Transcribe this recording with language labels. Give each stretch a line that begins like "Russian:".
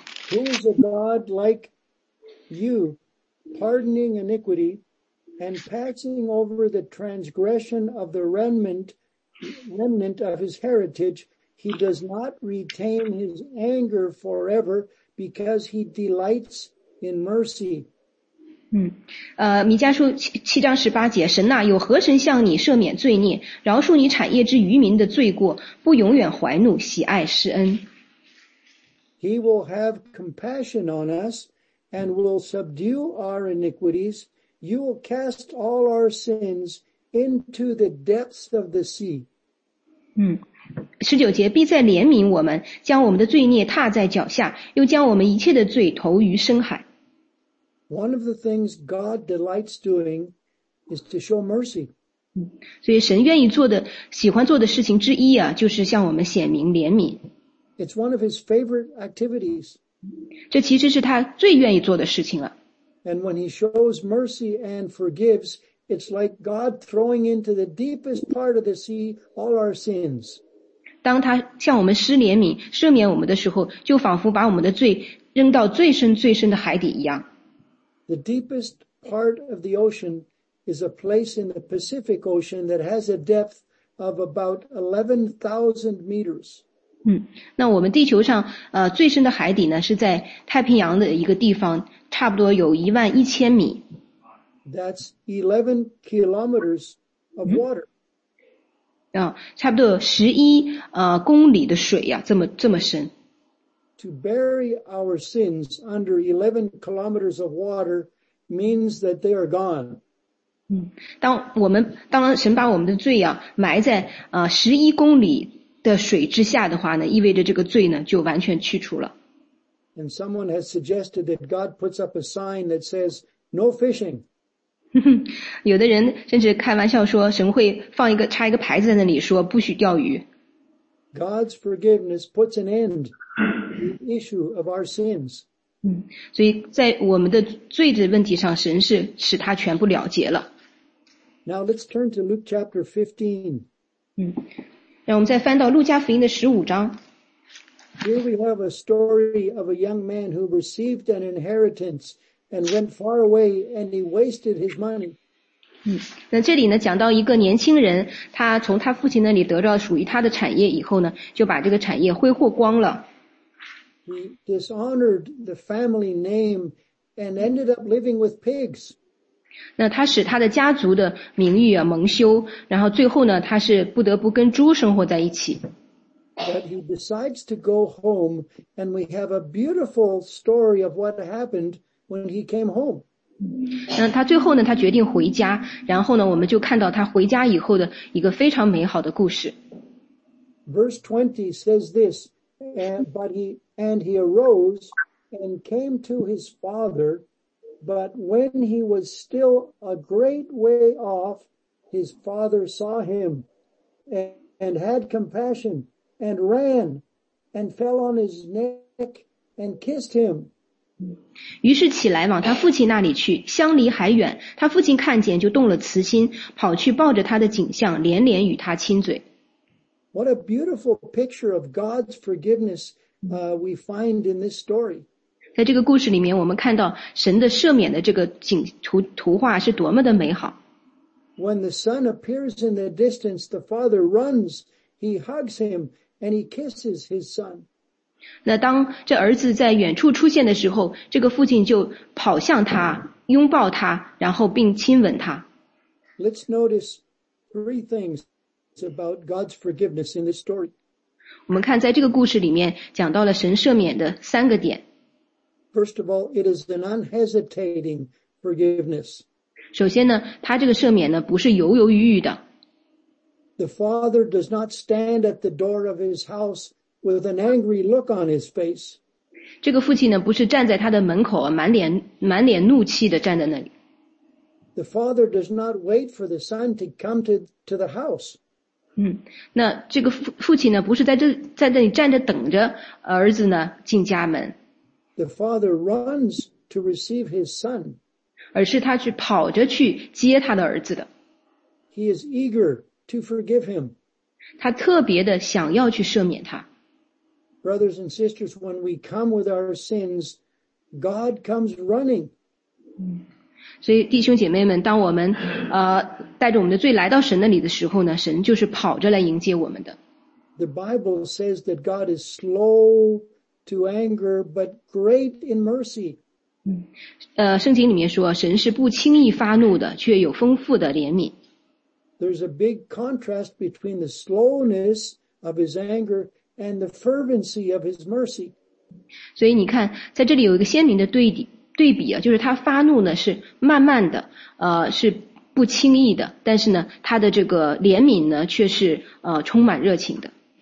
English: Who is a God like you, pardoning iniquity and passing over the transgression of the remnant of his heritage? He does not retain his anger forever because he delights in mercy.
Chinese: 弥迦书 7章18节，神啊，有何神向你赦免罪孽，饶恕你产业之余民的罪过，不永远怀怒，喜爱施恩。
English: He will have compassion on us and will subdue our iniquities. You will cast all our sins into the depths of the sea.
Chinese: 19节，必再怜悯我们，将我们的罪孽踏在脚下，又将我们一切的罪投于深海。
English: One of the things God delights doing is to show mercy.
Chinese: 所以神愿意做的，喜欢做的事情之一啊，就是向我们显明怜悯。
English: It's one of his favorite activities.
Chinese: 这其实是他最愿意做的事情了。
English: And when he shows mercy and forgives, it's like God throwing into the deepest part of the sea all our sins.
Chinese: 当他向我们施怜悯，赦免我们的时候，就仿佛把我们的罪扔到最深最深的海底一样。
English: The deepest part of the ocean is a place in the Pacific Ocean that has a depth of about 11,000 meters.
Chinese: 那我们地球上最深的海底呢，是在太平洋的一个地方，差不多有11,000米。
English: That's 11 kilometers of water.
Chinese: 差不多11公里的水呀，这么深。
English: To bury our sins under 11 kilometers of water means that they are gone.
Chinese: 当神把我们的罪啊埋在11公里的水之下的话呢，意味着这个罪呢就完全去除了。
English: And someone has suggested that God puts up a sign that says, no fishing.
Chinese: 有的人甚至开玩笑说神会放一个插一个牌子在那里说不许钓鱼。
English: God's forgiveness puts an end to the issue of our sins.
Chinese: 所以在我们的罪的问题上神是使他全部了结了。
English: Now let's turn to Luke chapter 15.
Chinese: 让我们再翻到路加福音的15章。
English: Here we have a story of a young man who received an inheritance and went far away and he wasted his money.
Chinese: 那这里呢讲到一个年轻人他从他父亲那里得到属于他的产业以后呢就把这个产业挥霍光了。
English: He dishonored the family name and ended up living with pigs.
Chinese: 那他使他的家族的名誉啊蒙羞然后最后呢他是不得不跟猪生活在一起。
English: But he decides to go home, and we have a beautiful story of what happened when he came home.
Chinese: 那他最后呢？他决定回家，然后呢，我们就看到他回家以后的一个非常美好的故事。
English: Verse 20 says this, and he arose and came to his father, but when he was still a great way off, his father saw him and had compassion. And ran and fell on his neck and kissed him.
Chinese: 于是起来往他父亲那里去相离还远他父亲看见就动了慈心跑去抱着他的颈项连连与他亲嘴。
English: What a beautiful picture of God's forgiveness, we find in this story.
Chinese: 在这个故事里面我们看到神的赦免的这个景图图画是多么的美好。
English: When the son appears in the distance, the father runs. He hugs him and he kisses his son.
Chinese: 那当这儿子在远处出现的时候，这个父亲就跑向他，拥抱他，然后并亲吻他。
English: Let's notice three things about God's forgiveness in this story.
Chinese: 我们看在这个故事里面讲到了神赦免的三个点。
English: First of all, it is an unhesitating forgiveness.
Chinese: 首先呢，他这个赦免呢不是犹犹豫豫的。
English: The father does not stand at the door of his house with an angry look on his face.
Chinese: 这个父亲呢，不是站在他的门口，满脸怒气的站在那里。
English: The father does not wait for the son to come to the house.
Chinese: 那这个父亲呢，不是在那里站着等着儿子呢进家门。
English: The father runs to receive his son.
Chinese: 而是他去跑着去接他的儿子的。
English: He is eager. To forgive him.
Chinese: 他特别的想要去赦免他。
English: Brothers and sisters, when we come with our sins, God comes running.
Chinese: 所以弟兄姐妹们，当我们带着我们的罪来到神那里的时候呢，神就是跑着来迎接我们的。
English: The Bible says that God is slow to anger, but great in mercy.
Chinese: 圣经里面说，神是不轻易发怒的，却有丰富的怜悯。
English: There's a big contrast between the slowness of his anger and the fervency of his mercy.
Chinese: 所以你看，在这里有一个鲜明的对比啊，就是他发怒呢是慢慢的，是不轻易的，但是呢，他的这个怜悯呢却是充满热情的。